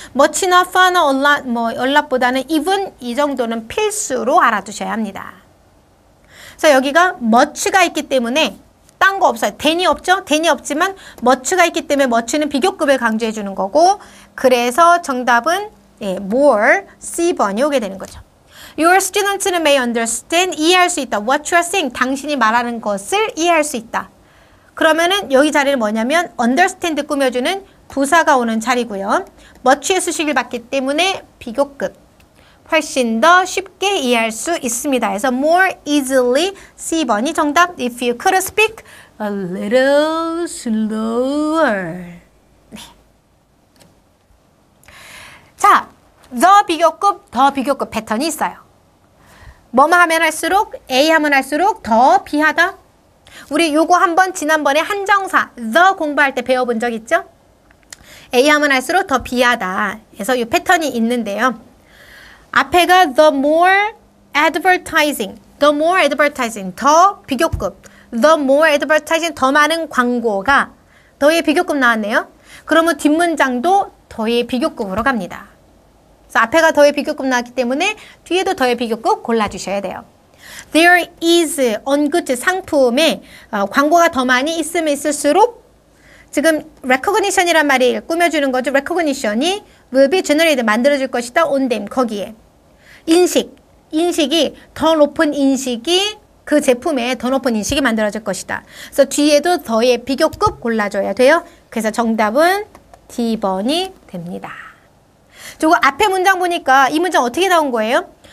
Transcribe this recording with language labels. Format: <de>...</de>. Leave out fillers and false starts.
<ko>much나 far나 a lot, 뭐, a lot보다는 even 이 정도는 필수로 알아두셔야 합니다. 그래서 여기가 much가 있기 때문에 딴 거 없어요. then이 없죠? then이 없지만 much가 있기 때문에 much는 비교급을 강조해주는 거고 그래서 정답은 예, more, C번이 오게 되는 거죠.</ko> <en>Your students may understand,</en> <ko>이해할 수 있다.</ko> <en>What you are saying,</en> <ko>당신이 말하는 것을 이해할 수 있다. 그러면은 여기 자리는 뭐냐면 understand 꾸며주는 부사가 오는 자리고요. much의 수식을 받기 때문에 비교급. 훨씬 더 쉽게 이해할 수 있습니다. 그래서 more easily, C번이 정답.</ko> <en>If you could speak a little slower.</en> <ko>네. 자, the 비교급, the 비교급 패턴이 있어요. 뭐뭐 하면 할수록, A 하면 할수록 더 비하다. 우리 요거 한번 지난번에 한정사 the 공부할 때 배워본 적 있죠? A 하면 할수록 더 비하다. 그래서 요 패턴이 있는데요. 앞에가</ko> <en>the more advertising,</en> <ko>the more advertising, 더 비교급, the more advertising, 더 많은 광고가 더의 비교급 나왔네요. 그러면 뒷문장도 더의 비교급으로 갑니다. 그래서 앞에가 더의 비교급 나왔기 때문에 뒤에도 더의 비교급 골라주셔야 돼요.</ko> <en>There is on goods</en> <ko>상품에 광고가 더 많이 있으면 있을수록 지금 recognition이란 말이 꾸며주는 거죠. recognition이</ko> <en>will be generated</en> <ko>만들어질 것이다.</ko> <en>on them</en> <ko>거기에 인식 인식이 더 높은 인식이 그 제품에 더 높은 인식이 만들어질 것이다. 그래서 뒤에도 더의 비교급 골라줘야 돼요. 그래서 정답은 D번이 됩니다. 그리고 앞에 문장 보니까 이 문장 어떻게 나온 거예요?</ko>